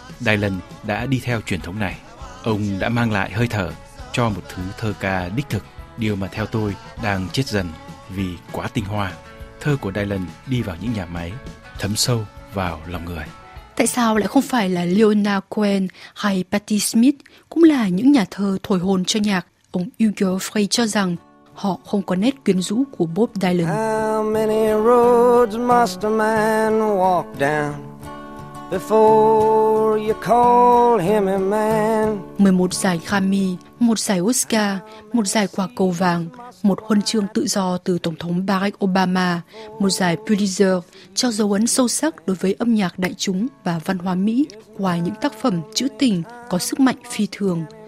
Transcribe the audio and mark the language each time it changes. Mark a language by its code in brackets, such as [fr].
[vi] Dylan đã đi theo truyền thống này. Ông đã mang lại hơi thở cho một thứ thơ ca đích thực, điều mà theo tôi đang chết dần vì quá tinh hoa. Thơ của Dylan đi vào những nhà máy, thấm sâu vào lòng người. Tại sao lại không phải là Leonard Cohen hay Patti Smith cũng là những nhà thơ thổi hồn cho nhạc? Ông Hugo Frey cho rằng họ không có nét quyến rũ của Bob Dylan. [en] How many roads must a man walk down before you call him a man? [vi] 11 giải Grammy, 1 giải Oscar, 1 giải Quả Cầu Vàng, 1 huân chương tự do từ Tổng thống Barack Obama, 1 giải Pulitzer cho dấu ấn sâu sắc đối với âm nhạc đại chúng và văn hóa Mỹ qua những tác phẩm trữ tình có sức mạnh phi thường.